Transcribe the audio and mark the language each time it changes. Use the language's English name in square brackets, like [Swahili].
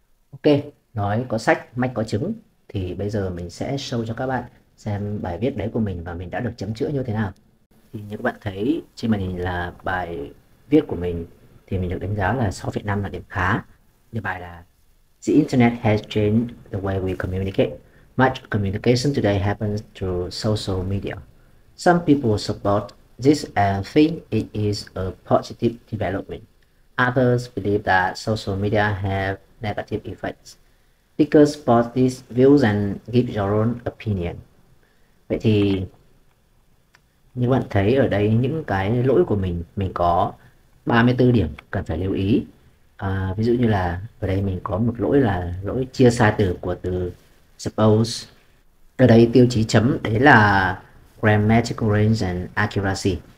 [Vietnamese] Ok, nói có sách, mách có chứng. Thì bây giờ mình sẽ show cho các bạn xem bài viết đấy của mình và mình đã được chấm chữa như thế nào. Thì như các bạn thấy trên màn hình là bài viết của mình, thì mình được đánh giá là 6,5 là điểm khá. Như bài là [English] "The Internet has changed the way we communicate. Much communication today happens through social media. Some people support this and think it is a positive development. Others believe that social media have negative effects. Speakers support these views and give your own opinion." [Vietnamese] Vậy thì như bạn thấy ở đây, những cái lỗi của mình có 34 điểm cần phải lưu ý. À, ví dụ như là ở đây mình có một lỗi là lỗi chia sai từ của từ suppose. Ở đây tiêu chí chấm đấy là grammatical range and accuracy.